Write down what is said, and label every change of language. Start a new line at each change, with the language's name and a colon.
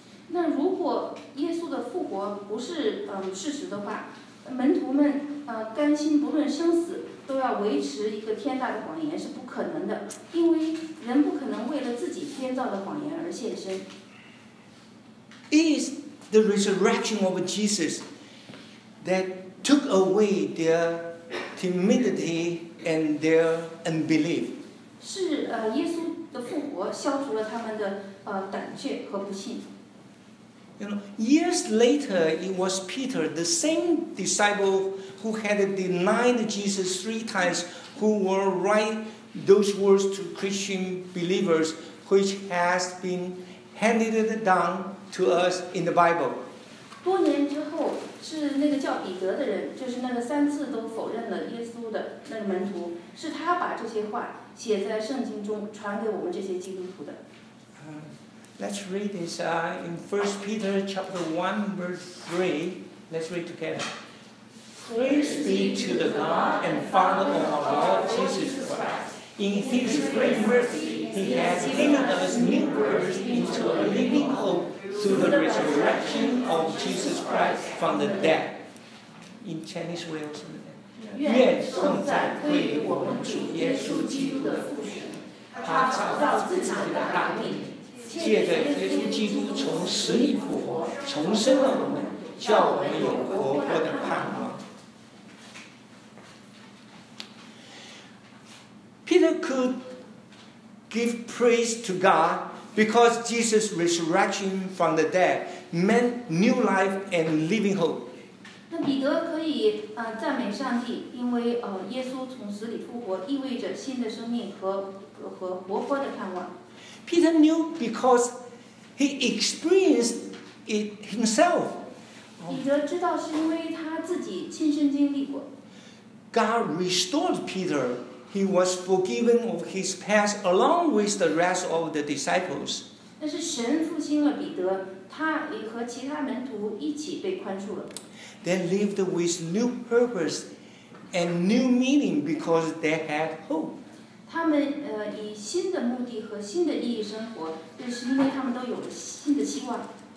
Chinese: 那如果耶稣的复活不是事实的话，门徒们甘心不论生死都要维持一个天大的谎言是不可能的，因为人不可能为了自己编造的谎言而献身。
English: Is the resurrection of Jesus that took away their timidity and their unbelief?
Chinese: 是耶稣的复活消除了他们的胆怯和不信。
English: You know, years later, it was Peter, the same disciple who had denied Jesus 3 times, who were write those words to Christian believers, which has been handed down to us in the Bible.
Chinese: 多年之后，是那个叫彼得的人，就是那个三次都否认了耶稣的那个门徒，是他把这些话写在圣经中传给我们这些基督徒的。
English: Let's read this in 1 Peter chapter 1 verse 3. Let's read together. Praise be to the God and Father of our Lord Jesus Christ. In His great mercy, He has given us new birth into a living hope through the resurrection of Jesus Christ from the dead. In Chinese, we also read that.
Chinese: 愿颂赞归于我们主耶稣基督的父神，他创造自己的大地，借着耶稣基督从死里复活，重生了我们，叫我们有活泼的盼望。
English: Peter could give praise to God because Jesus' resurrection from the dead meant new life and living hope.
Chinese: 那彼得可以赞美上帝，因为耶稣从死里复活意味着新的生命和活泼的盼望。
English: Peter knew because he experienced it himself.
Chinese: 彼得知道是因为他自己亲身经历过。
English: God restored Peter. He was forgiven of his past along with the rest of the disciples.
Chinese: 那是神复兴了彼得，他也和其他门徒一起被宽恕了。
English: They lived with new purpose and new meaning because they had hope.
Chinese: 他们以新的目的和新的意义生活，这是因为他们都有新的希望。